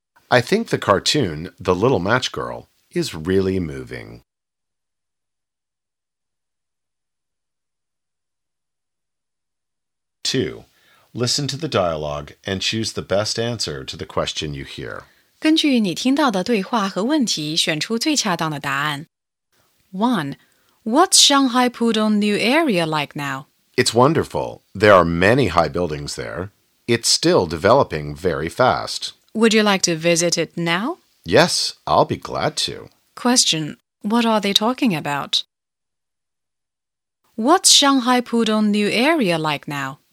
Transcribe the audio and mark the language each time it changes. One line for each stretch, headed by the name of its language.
English: I think the cartoon, The Little Match Girl, is really moving. 2. Listen to the dialogue and choose the best answer to the question you hear.
Chinese: 根据你听到的对话和问题，选出最恰当的答案。 1.
English: What's Shanghai Pudong new area like now? It's wonderful. There are many high buildings there. It's still developing very fast. Would you like to visit it now? Yes, I'll be glad to. Question. What are they talking about? What's Shanghai Pudong new area like now?